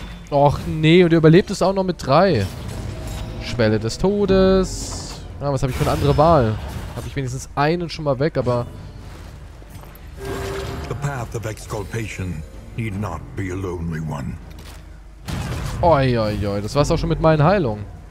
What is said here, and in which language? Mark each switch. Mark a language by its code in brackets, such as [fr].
[de] Och nee, und ihr überlebt es auch noch mit 3. Schwelle des Todes. Ah, was habe ich für eine andere Wahl? Habe ich wenigstens einen schon mal weg, aber. [en] The path of exculpation need not be a lonely one. [de] Oi, oi, oi, das war's auch schon mit meinen Heilungen.